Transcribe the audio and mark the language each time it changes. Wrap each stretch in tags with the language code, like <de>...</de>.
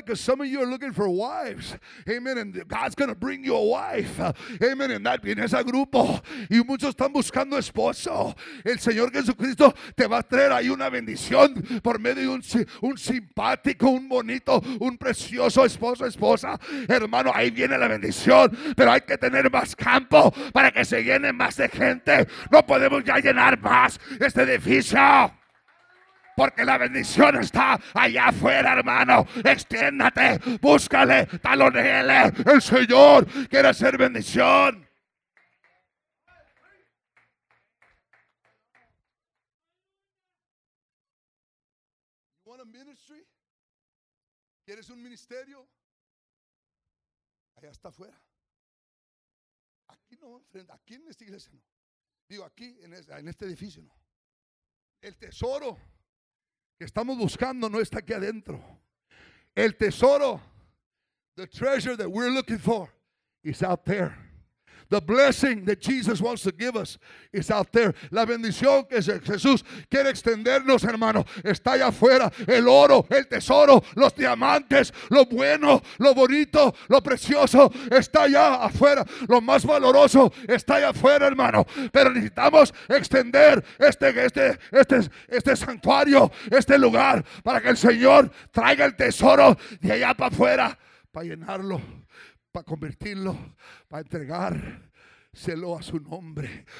<en>Because some of you are looking for wives. Amen. And God's going to bring you a wife. Amen. And that,</en> <es>en ese grupo. Y muchos están buscando esposo. El Señor Jesucristo te va a traer ahí una bendición por medio de un simpático, un bonito, un precioso esposo, esposa. Hermano, ahí viene la bendición. Pero hay que tener más campo para que se llene más de gente. No podemos ya llenar más este edificio porque la bendición está allá afuera, hermano. Extiéndate, búscale, talonele. El Señor quiere hacer bendición. ¿Quieres un ministerio? Allá está afuera. No, aquí en esta iglesia no. Digo, aquí en este edificio no. El tesoro que estamos buscando no está aquí adentro. El tesoro,</es> <en>the treasure that we're looking for, is out there. The blessing that Jesus wants to give us is out there.</en> <es>La bendición que Jesús quiere extendernos, hermano, está allá afuera. El oro, el tesoro, los diamantes, lo bueno, lo bonito, lo precioso, está allá afuera. Lo más valoroso está allá afuera, hermano. Pero necesitamos extender este santuario, este lugar, para que el Señor traiga el tesoro de allá para afuera, para llenarlo, para convertirlo, para entregárselo a su nombre.</es>